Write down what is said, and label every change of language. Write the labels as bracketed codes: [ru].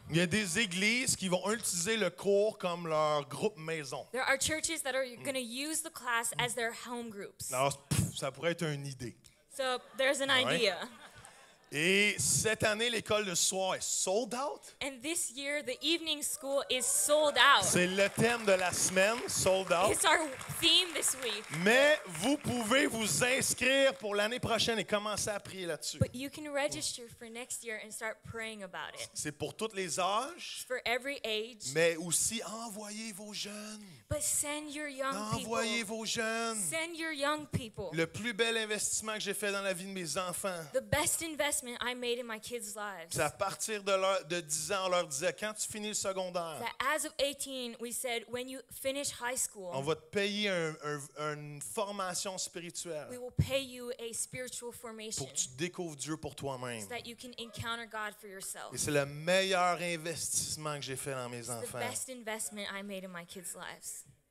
[fr] Il y a des églises qui vont utiliser le cours comme leur groupe maison. [en] There are churches that are going to use the class as their home groups. [fr] Alors, ça pourrait être une idée. [en] So, there's an idea. [fr] Et cette année, l'école de soir est [en] sold out. And this year, the evening school is sold out. [fr] C'est le thème de la semaine, [en] sold out. It's our theme this week. [fr] Mais vous pouvez vous inscrire pour l'année prochaine et commencer à prier là-dessus. [en] But you can register for next year and start praying about it. [fr] C'est pour tous les âges. [en] It's for every age. [fr] Mais aussi, envoyez vos jeunes. [en] But send your young people. [fr] Envoyez vos jeunes. [en] Send your young people. [fr] Le plus bel investissement que j'ai fait dans la vie de mes enfants. [en] The best investment I made in my kids' lives. [fr] C'est à partir de leur, de 10 ans, on leur disait, quand tu finis le secondaire, [en] that as of 18, we said, when you finish high school, [fr] on va te payer une formation spirituelle. [en] We will pay you a spiritual formation. [fr] Pour que tu découvres Dieu pour toi-même. [en] So that you can encounter God for yourself. [fr] Et c'est le meilleur investissement que j'ai fait dans mes enfants. [en] The best investment I made in my kids' lives.